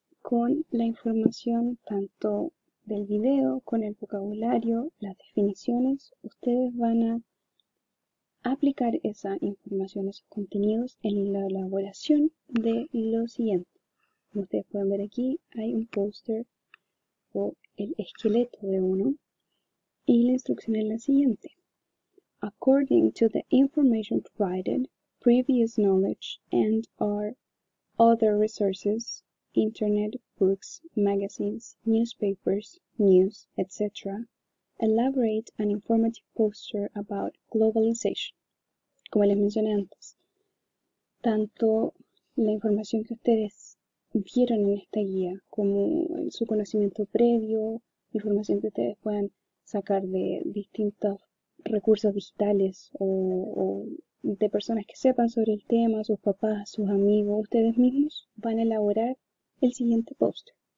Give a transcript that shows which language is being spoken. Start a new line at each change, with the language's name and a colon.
Spanish: con la información tanto del video, con el vocabulario, las definiciones, ustedes van a aplicar esa información, esos contenidos en la elaboración de lo siguiente. Como ustedes pueden ver aquí, hay un póster o el esqueleto de uno y la instrucción es la siguiente.
English: According to the information provided, previous knowledge and our other resources, internet, books, magazines, newspapers, news, etc., elaborate an informative poster about globalization.
Spanish: Como les mencioné antes, tanto la información que ustedes vieron en esta guía, como su conocimiento previo, información que ustedes puedan sacar de distintos recursos digitales o de personas que sepan sobre el tema, sus papás, sus amigos, ustedes mismos van a elaborar el siguiente póster.